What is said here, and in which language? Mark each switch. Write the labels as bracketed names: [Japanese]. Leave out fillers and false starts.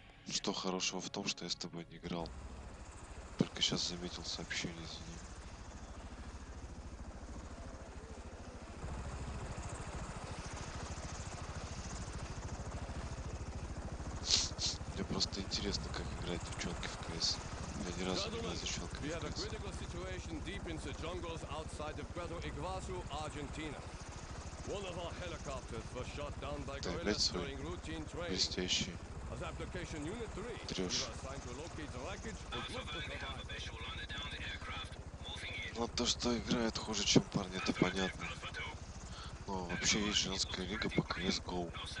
[Russian] Что хорошего в том, что я с тобой не играл. Только сейчас заметил сообщение, извини. Просто интересно, как играют девчонки в КС. Я ни разу не изучал КС. [English] We have a critical situation deep in the jungles outside of Puerto Iguazu, Argentina. One of our helicopters was shot down by guerrillas during routine training. [Russian] Блестящий. [English] As application unit 3, we are assigned to locate the wreckage. [Russian] Ну то, что играет хуже, чем парни, это понятно. Но вообще есть женская лига по КС GO.